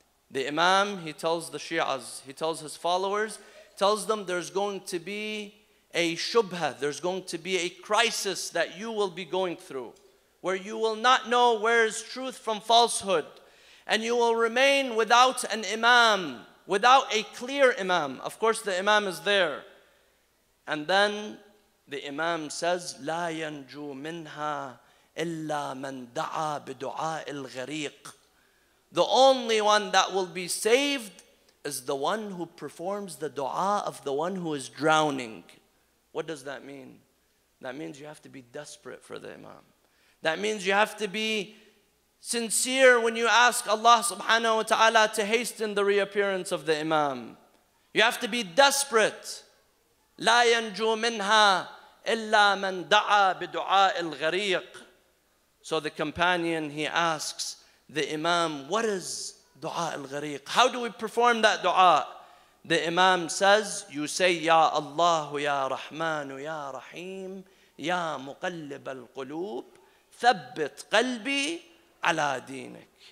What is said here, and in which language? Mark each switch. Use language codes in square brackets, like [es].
[en] The Imam, he tells the Shias, he tells his followers, tells them there's going to be a shubha, there's going to be a crisis that you will be going through, where you will not know where is truth from falsehood. And you will remain without an imam, without a clear imam. Of course, the imam is there. And then the imam says, [ar] لا ينجو منها إلا من دعا بدعاء الغريق. [en] The only one that will be saved is the one who performs the dua of the one who is drowning. What does that mean? That means you have to be desperate for the imam. That means you have to be sincere when you ask Allah subhanahu wa ta'ala to hasten the reappearance of the Imam. You have to be desperate. [ar] لا ينجو منها إلا من دعا بدعاء الغريق. [en] So the companion, he asks the Imam, what is [ar] دعاء الغريق? [en] How do we perform that dua? The Imam says, you say, [ar] يا الله يا رحمن يا رحيم يا مقلب القلوب ثبت قلبي ala deenik.